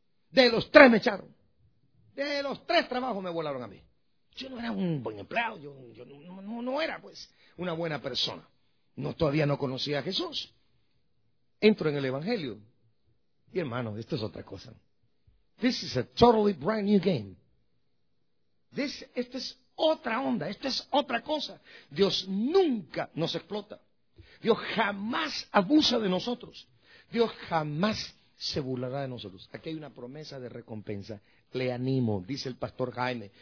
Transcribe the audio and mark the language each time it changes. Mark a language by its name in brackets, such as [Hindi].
[Spanish] De los tres me echaron. De los tres trabajos me volaron a mí. Yo no era un buen empleado, yo no era, pues, una buena persona. No, todavía no conocía a Jesús. Entro en el Evangelio. Y hermano, esto es otra cosa. [English] This is a totally brand new game. [Spanish] Esta es otra onda, esta es otra cosa. Dios nunca nos explota. Dios jamás abusa de nosotros. Dios jamás se burlará de nosotros. Aquí hay una promesa de recompensa. Le animo, dice el pastor Jaime.